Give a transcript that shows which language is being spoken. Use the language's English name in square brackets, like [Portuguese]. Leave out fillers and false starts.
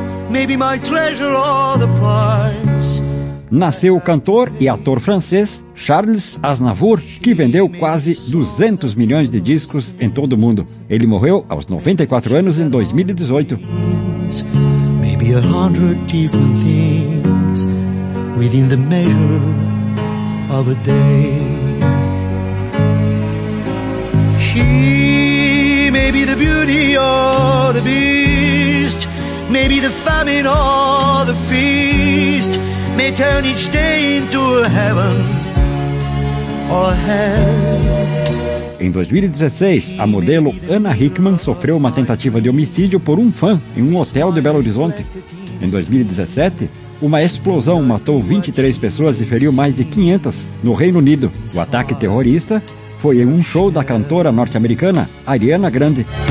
[Portuguese] 1924. Nasceu o cantor e ator francês Charles Aznavour, que vendeu quase 200 milhões de discos em todo o mundo. Ele morreu aos 94 anos em 2018. [English] Maybe a hundred different things within the measure of a day. She may be the beauty or the beast, may be the famine or the feast, may turn each day into a heaven or a hell. [Portuguese] Em 2016, a modelo Anna Hickman sofreu uma tentativa de homicídio por um fã em um hotel de Belo Horizonte. Em 2017, uma explosão matou 23 pessoas e feriu mais de 500 no Reino Unido. O ataque terrorista foi em um show da cantora norte-americana Ariana Grande.